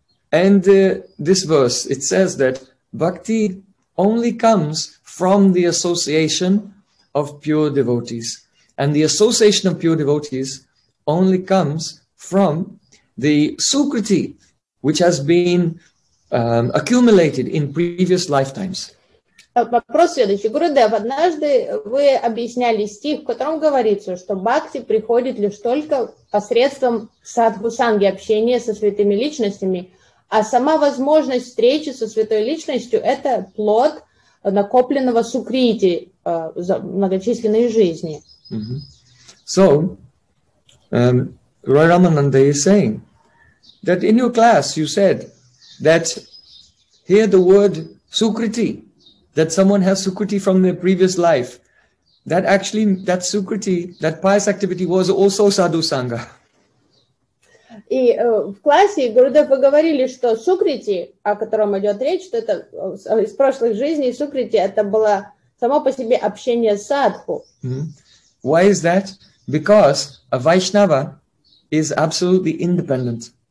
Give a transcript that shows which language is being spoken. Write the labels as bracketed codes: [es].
[en] And this verse, it says that Bhakti only comes from the association of pure devotees. And the association of pure devotees only comes from the Sukriti, which has been accumulated in previous lifetimes. [ru] Вопрос следующий. Гурудев, однажды вы объясняли стих, в котором говорится, что бхакти приходит лишь только посредством садхусанги, общения со святыми личностями, а сама возможность встречи со святой личностью – это плод накопленного Сукрити за многочисленные жизни. [en] So, Roy Ramananda is saying that in your class you said that here the word Sukriti, that someone has Sukriti from their previous life, that actually that Sukriti, that pious activity was also Sadhu Sangha. [ru] И в классе Гурудев вы говорили, что Сукрити, о котором идет речь, что это из прошлых жизней Сукрити, это было само по себе общение с Садху. [en] Why is that? Because a Vaishnava is absolutely independent.